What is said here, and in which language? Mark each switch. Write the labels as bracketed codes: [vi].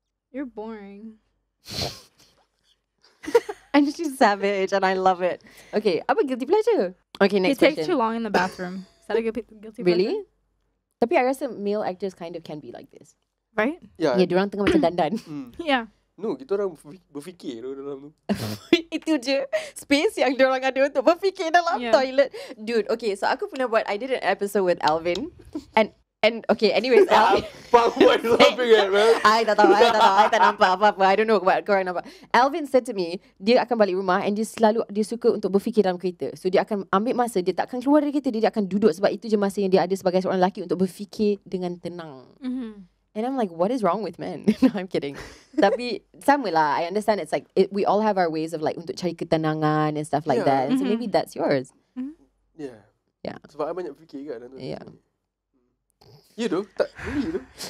[en] You're boring. And she's savage, and I love it. Okay, I'm a guilty pleasure. Okay, next question. You take too long in the bathroom. Is that a guilty really? Pleasure? But I guess male actors kind of can be like this. Right? Yeah. [ms] Yeah, diorang tengah macam dandan. [en] Yeah. [ms] No, kita orang berfikir dalam tu. Itu je. [en] Space [ms] yang diorang ada untuk berfikir dalam [en] toilet. Dude, okay. So, [ms] aku pernah buat, [en] I did an episode with Alvin. And And okay, anyway, [ms] apa aku [en] laughing at, man? [ms] I tak tahu, I tak tahu, I tak nampak apa-apa. [en] I don't know what [ms] korang nampak. Alvin said to me, dia akan balik rumah and dia selalu, dia suka untuk berfikir dalam kereta. So dia akan ambil masa, dia takkan keluar dari kereta, dia akan duduk sebab itu je masa yang dia ada sebagai seorang lelaki untuk berfikir dengan tenang. [en] Mm-hmm. And I'm like, what is wrong with men? No, I'm kidding. [ms] Tapi sama lah, [en] I understand it's like, we all have our ways of like [ms] untuk cari ketenangan [en] and stuff like yeah. that. And mm-hmm. so maybe that's yours. Mm-hmm. Yeah. Yeah. [ms] Sebab I banyak fikir kan. [en] Yeah. You do, tak, really you do.